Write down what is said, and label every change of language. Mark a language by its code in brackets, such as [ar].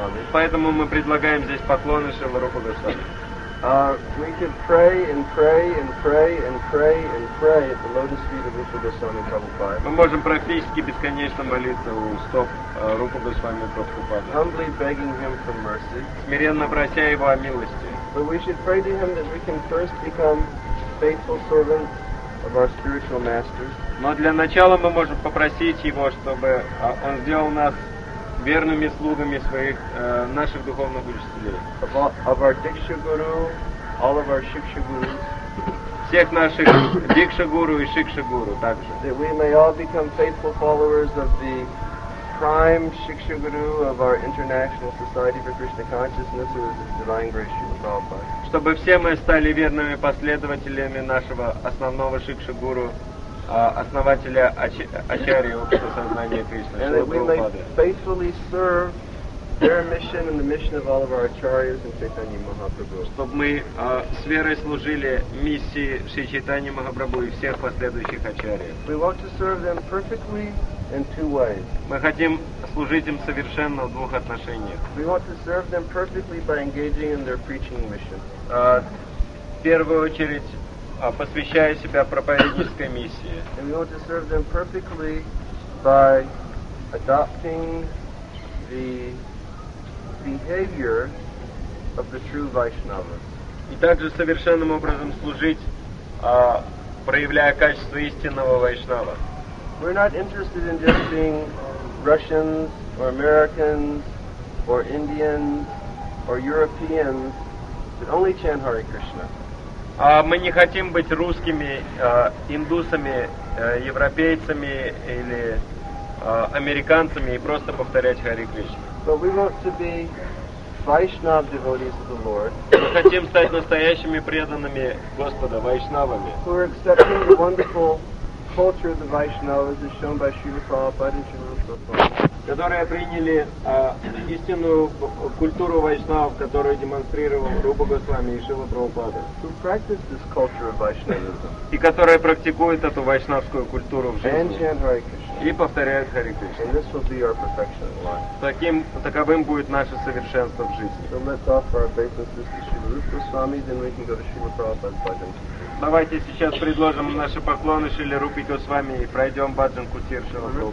[ru] Поэтому мы предлагаем здесь поклоны Шрила Рупа Госвами. [en] We can pray and pray and pray and pray and pray at the lotus feet of Rupa Goswami Prabhupada. [ru] Мы можем практически бесконечно молиться у стоп Рупа Госвами Прабхупады. [en] Humbly begging him for mercy. [ru] Смиренно прося его о милости. [en] But we should pray to him that we can first become faithful servants of our spiritual masters. [ru] Но для начала мы можем попросить его, чтобы он сделал нас верными слугами своих наших духовных учителей. [en] Of our Diksha Guru, all of our Shiksha Gurus. [ru] Всех наших Diksha Guru и Shiksha Guru также. [en] That we may all become faithful followers of the prime Shiksha Guru of our International Society for Krishna Consciousness, who is the Divine Grace Srila Prabhupada. [ru] Чтобы все мы стали верными последователями нашего основного Shiksha Guru. Основателя Ачарьи Общества Сознания Кришны. [en] And that we may faithfully serve their mission and the mission of all of our Acharyas and Chaitanya Mahaprabhu. [ru] Чтобы мы с верой служили миссии Шри Чайтаньи Махапрабху и всех последующих Ачарьев. [en] We want to serve them perfectly in two ways. [ru] Мы хотим служить им совершенно в двух отношениях. [en] We want to serve them perfectly by engaging in their preaching mission. [ru] В первую очередь посвящая себя проповеднической миссии. [en] And we want to serve them perfectly by adopting the behavior of the true Vaishnavas. [ru] И также совершенным образом служить, проявляя качество истинного вайшнава. [en] We're not interested in just being Russians or Americans or Indians or Europeans, but only chant Hare Krishna. [ru] Мы не хотим быть русскими, индусами, европейцами или американцами и просто повторять Харе Кришна. [en] But we want to be Vaishnav devotees of the Lord. [ru] Мы хотим стать настоящими преданными Господа, вайшнавами. [en] Who are accepting the wonderful culture of the Vaishnavas as shown by Śrīla Prabhupāda and Śrīla Prabhupāda. [ru] Которые приняли истинную культуру вайшнавов, которую демонстрировал Рупа Госвами и Шрила Прабхупада. [en] Who practice this culture of Vaishnavism. [ru] И которые практикуют эту вайшнавскую культуру в жизни. [en] And chant Hare Krishna. [ru] И повторяют Харе Кришна. [en] And this will be our perfection in life. [ru] Таковым будет наше совершенство в жизни. [en] So let's offer our obeisances to Śrīla Rūpa Goswami, then we can go to Śrīla Prabhupāda's bhajan. [ru] Давайте сейчас предложим наши поклоны Шриле Рупе Госвами и пройдем баджан кутир Шрила